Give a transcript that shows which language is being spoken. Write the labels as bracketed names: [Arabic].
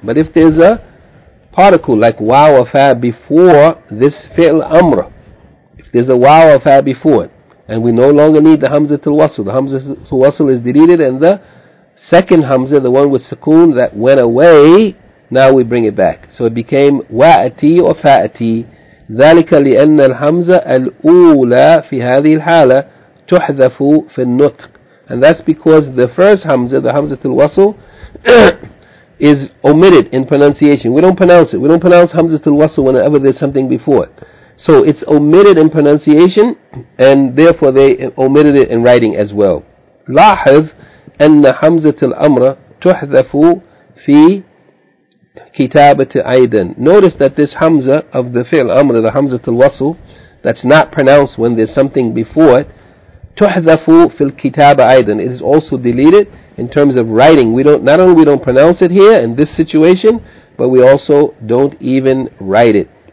[English] But if there's a particle like waw or fa before this fi'l amr, if there's a waw or fa before it, and we no longer need the Hamza til wasl. The Hamza til wasl is deleted, and the second Hamza, the one with sukoon that went away, now we bring it back. So it became wa'ati or fa'ati. [Arabic] ذلك لأن الحمزة الأولى في هذه الحالة تحذف في النطق. [English] And that's because the first Hamza, the Hamza til wasl, is omitted in pronunciation. We don't pronounce it. We don't pronounce Hamza til wasl whenever there's something before it. So it's omitted in pronunciation, and therefore they omitted it in writing as well. [Arabic] لاحظ أن حمزة الأمر تحذف في كتابة أيضا. [English] Notice that this Hamza of the fi'l amr, the Hamza til wasl, that's not pronounced when there's something before it, [Arabic] تحذف في الكتابة أيضا. [English] It is also deleted in terms of writing. Not only we don't pronounce it here in this situation, but we also don't even write it.